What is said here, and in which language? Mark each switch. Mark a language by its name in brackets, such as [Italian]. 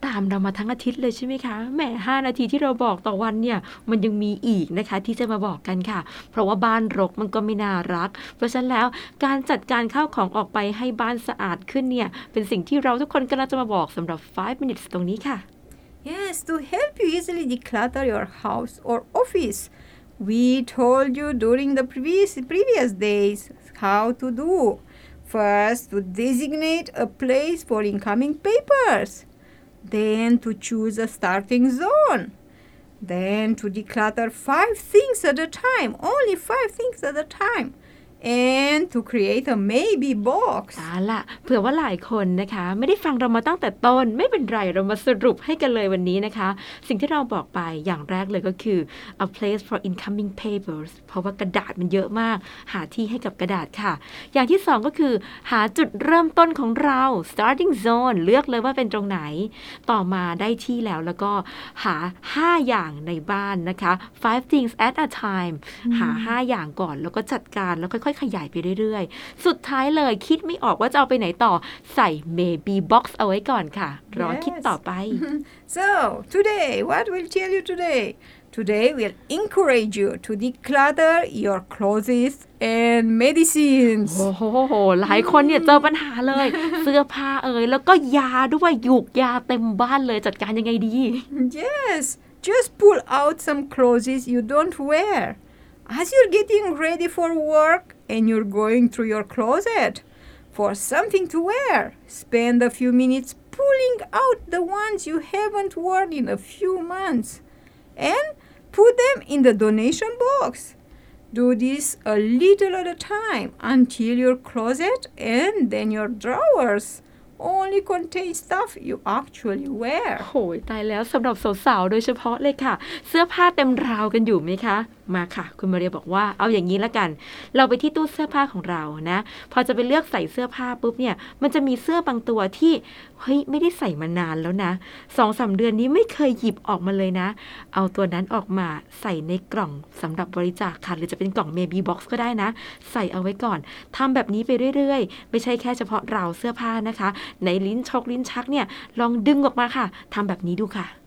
[Thai] ตามเรามาทั้งอาทิตย์เลยใช่ไหมคะแม่5นาทีที่เราบอกต่อวันเนี่ยมันยังมีอีกนะคะที่จะมาบอกกันค่ะเพราะว่าบ้านรกมันก็ไม่น่ารักเพราะฉะนั้นแล้วการจัดการข้าวของออกไปให้บ้านสะอาดขึ้นเนี่ยเป็นสิ่งที่เราทุกคนกำลังจะมาบอกสำหรับ5 minutes ตรงนี้ค่ะ [English] Yes, to help you easily declutter your house or officeWe told you during the previous days how to do. First, to designate a place for incoming papers. Then to choose a starting zone. Then to declutter 5 things at a time, only 5 things at a time. and to create a maybe box [Thai] อ่าล่ะเผื่อว่าหลายคนนะคะไม่ได้ฟังเรามาตั้งแต่ต้นไม่เป็นไรเรามาสรุปให้กันเลยวันนี้นะคะสิ่งที่เราบอกไปอย่างแรกเลยก็คือ [English] a place for incoming papers [Thai] เพราะว่ากระดาษมันเยอะมากหาที่ให้กับกระดาษค่ะอย่างที่สองก็คือหาจุดเริ่มต้นของเรา starting zone เลือกเลยว่าเป็นตรงไหน ต่อมาได้ที่แล้วแล้วก็หา5อย่างในบ้านนะคะ [English] 5 things at a time [Thai] หา5อย่างก่อนแล้วก็จัดการแล้วค่อยๆขยายไปเรื่อยๆสุดท้ายเลยคิดไม่ออกว่าจะเอาไปไหนต่อใส่ maybe box เอาไว้ก่อนค่ะรอ [English] yes. [Thai] คิดต่อไป [English] So today what will tell you today today will encourage you to declutter your clothesand medicines [Thai] โอ้โหหลายคนเนี่ยเจอปัญหาเลยเสื้อผ้าเอ่ยแล้วก็ยาด้วยยุกยาเต็มบ้านเลยจัดการยังไงดี [English] Yes just pull out some clothes you don't wear as you're getting ready for work and you're going through your closet for something to wear spend a few minutes pulling out the ones you haven't worn in a few months and put them in the donation boxDo this a little at a time until your closet and then your drawers only contain stuff you actually wear. [Thai] โอ้ยตายแล้วสำหรับสาวๆโดยเฉพาะเลยค่ะเสื้อผ้าเต็มราวกันอยู่ไหมคะมาค่ะคุณมาเรียบอกว่าเอาอย่างนี้ละกันเราไปที่ตู้เสื้อผ้าของเรานะพอจะไปเลือกใส่เสื้อผ้าปุ๊บเนี่ยมันจะมีเสื้อบางตัวที่ เฮ้ยไม่ได้ใส่มานานแล้วนะ 2-3 เดือนนี้ไม่เคยหยิบออกมาเลยนะเอาตัวนั้นออกมาใส่ในกล่องสำหรับบริจาคค่ะหรือจะเป็นกล่อง Maybe Box ก็ได้นะใส่เอาไว้ก่อนทำแบบนี้ไปเรื่อยๆไม่ใช่แค่เฉพาะเราเสื้อผ้านะคะในลิ้นชกลิ้นชักเนี่ยลองดึงออกมาค่ะทำแบบนี้ดูค่ะ